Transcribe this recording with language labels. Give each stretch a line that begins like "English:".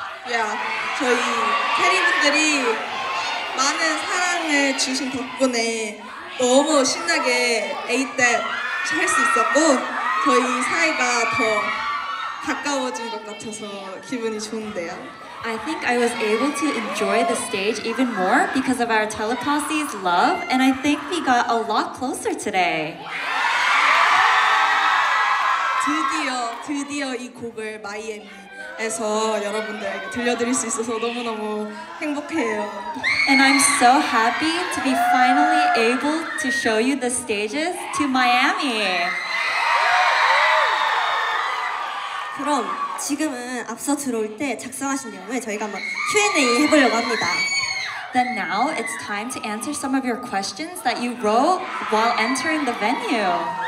Korean: Yeah, 저희 캐리분들이 많은 사랑을 주신 덕분에 너무 신나게 8댑 할 수 있었고 저희 사이가 더 가까워진 것 같아서 기분이 좋은데요.
English: I think I was able to enjoy the stage even more because of our Teleposse's love, and I think we got a lot closer today.
Korean: 드디어 이 곡을 마이애미 에서 여러분들에게 들려드릴 수 있어서 너무너무 행복해요.
English: And I'm so happy to be finally able to show you the stages to Miami.
Korean: 그럼 지금은 앞서 들어올 때 작성하신 내용을 저희가 한번 Q&A 해보려고 합니다.
English: Then now it's time to answer some of your questions that you wrote while entering the venue.